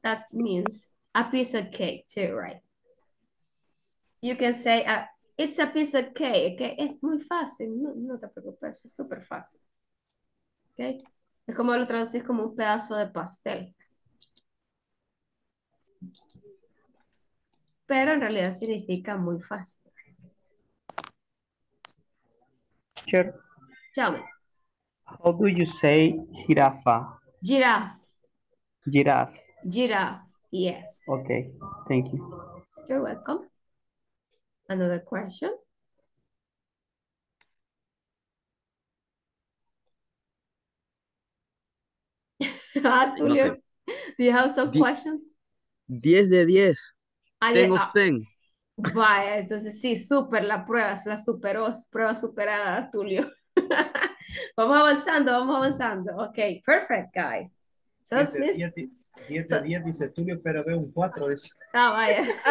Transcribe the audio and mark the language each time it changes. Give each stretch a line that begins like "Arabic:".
English: That means a piece of cake too, right? You can say, it's a piece of cake, okay?
Spanish: Es muy fácil, no, no te preocupes, es súper fácil. Okay? Es como lo traducís como un pedazo de pastel. Pero en realidad significa muy fácil.
English: Sure. Tell me. How do you say jirafa? Giraffe. Giraffe. Giraffe, yes. Okay, thank you. You're welcome. Another question? Ah, Tulio,
Spanish: no sé.
English: Do you have some questions?
Spanish: 10 de 10.
English: 10 of 10.
Spanish: Vaya, entonces sí, súper la prueba, la superó, prueba superada, Tulio. Vamos avanzando, vamos avanzando.
English: Ok, perfect, guys.
Spanish: So 10 de 10, 10, dice Tulio, pero veo un 4. Ah, vaya.